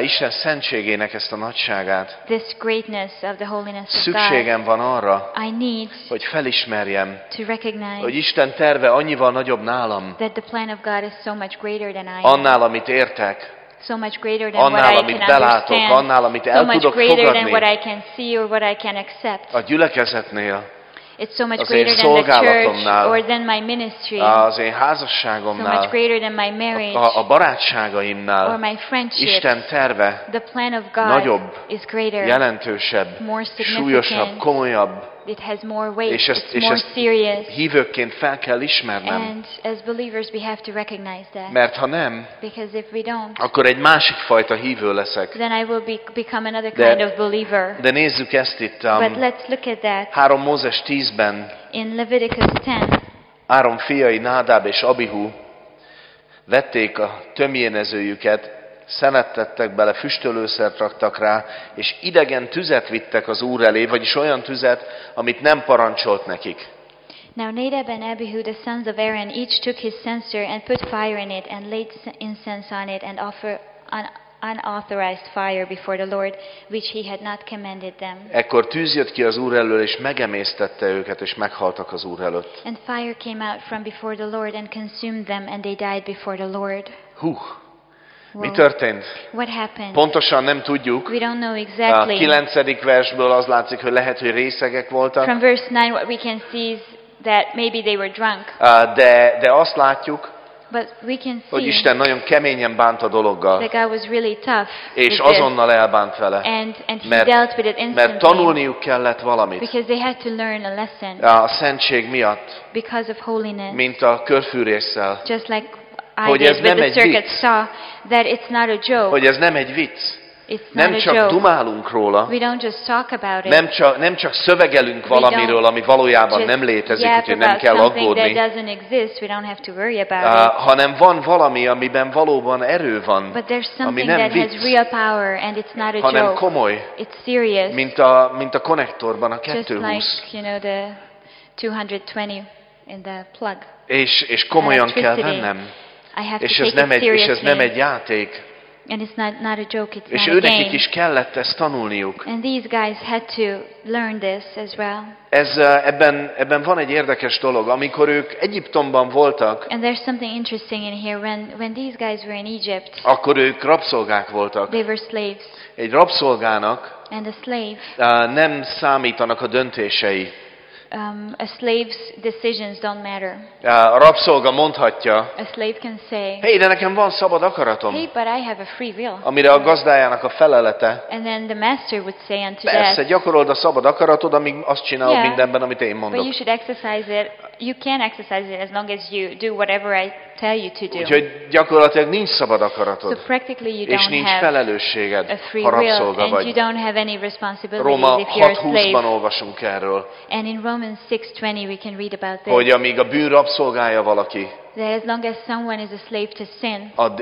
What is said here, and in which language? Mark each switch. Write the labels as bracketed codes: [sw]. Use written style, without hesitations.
[hu] Isten szentségének ezt a nagyságát. [en] This greatness of the holiness of God. [hu] Szükségem van arra, [en] I need [hu] hogy felismerjem, [en] to recognize [hu] hogy Isten terve annyival nagyobb nálam, [en] that the plan of God is so much greater than I am. [hu] Annál, amit értek, [en] so much greater than [hu] annál, [en] what I can [hu] belátok, [en] understand, [hu] annál, amit [en] so much [hu] tudok [en] greater [hu] fogadni, [en] than what I can see or what I can accept. [hu] A gyülekezetnél, [en] it's so much greater than the church or than my ministry. [hu] Az én házasságomnál, [en] so much greater than my marriage, [hu] a barátságaimnál, [en] or my friendships. [hu] Isten terve, [en] the plan of God, [hu] nagyobb, [en] is greater, [hu] jelentősebb, [en] more significant, [hu] súlyosabb, komolyabb. [en] It has more weight. [hu] És ezt, [en] it's more serious. [hu] Hívőként fel kell ismernem. [en] And as believers we have to recognize that. [hu] Mert ha nem, [en] because if we don't, [hu] akkor egy másik fajta hívő leszek. [en] Then I will become another kind of believer. [hu] De nézzük ezt itt. [en] But let's look at that. [hu] 3 Mózes 10-ben. [en] In Leviticus 10. [hu] Áron fiai Nádáb és Abihu vették a tömjénezőjüket, szenet tettek bele, füstölőszert raktak rá, és idegen tüzet vittek az Úr elé, vagyis olyan tüzet, amit nem parancsolt nekik. [en] Now Nadab and Abihu, the sons of Aaron, each took his censer and put fire in it and laid incense on it and offered an unauthorized fire before the Lord, which he had not commanded them. [hu] Ekkor tűz jött ki az Úr elől, és megemésztette őket, és meghaltak az Úr előtt. [en] And fire came out from before the Lord and consumed them, and they died before the Lord. [hu] Mi történt? [en] What happened? [hu] Pontosan nem tudjuk. [en] We don't know exactly. [hu] A 9. versből az látszik, hogy lehet, hogy részegek voltak. [en] From verse 9 what we can see is that maybe they were drunk. [hu] De azt látjuk, [en] but we can see, [hu] hogy Isten nagyon keményen bánt a dologgal. [en] That God was really tough. [hu] És azonnal elbánt vele. [en] And he dealt with it instantly. [hu] Mert tanulniuk kellett valamit. [en] Because they had to learn a lesson. [hu] A szentség miatt. [en] Because of holiness. [hu] Mint a körfűrésszel. [en] Just like [hu] hogy ez nem egy vicc. [en] That it's not a joke. [hu] Hogy ez nem egy vicc. Nem csak dumálunk róla. [en] We don't just talk about it. [hu] Nem csak szövegelünk valamiről, ami valójában nem létezik, úgyhogy nem kell aggódni. [en] That doesn't exist, we don't have to worry about it. [hu] Hanem van valami, amiben valóban erő van, [en] but there's something [hu] ami nem [en] that [hu] vicc, [en] has real power and it's not a joke. [hu] Hanem komoly. [en] It's serious. [hu] Mint a konnektorban a 220. [en] Just like, you know, the 220 in the plug. [hu] És komolyan kell vennem. És ez nem egy játék. [en] And it's not a joke, it's [hu] és [en] not a game. [hu] És őnek is kellett ezt tanulniuk. [en] And these guys had to learn this as well. [hu] Ebben van egy érdekes dolog, amikor ők Egyiptomban voltak. [en] And there's something interesting in here when these guys were in Egypt. [hu] Akkor ők rabszolgák voltak. [en] They were slaves. [hu] Egy rabszolgának. [en] And a slave. [hu] Nem számítanak a döntései. [en] A slave's decisions don't matter. [hu] A rabszolga mondhatja. [en] A slave can say. [hu] Hey, de nekem van szabad akaratom. [en] Hey, but I have a free will. [hu] Amire a gazdájának a felelete. [en] And then the master would say unto that. [hu] Persze, gyakorold a szabad akaratod, amíg azt csinál [en] yeah, [hu] mindenben, amit én mondok. [en] But you should exercise it. You can exercise it as long as you do whatever I tell you to do. [hu] Úgyhogy gyakorlatilag nincs szabad akaratod. [en] So practically you don't [hu] és nincs felelősséged, [en] a free [hu] ha rabszolga [en] will, [hu] vagy. [en] And you don't have any responsibilities [hu] Róma [en] if you're a slave. [hu] Róma 6:20-ban olvasunk erről. [en] And in Romans 6:20 we can read about this. [hu] Hogy amíg a bűn rabszolgája valaki, [en] that as long as someone is a slave to sin,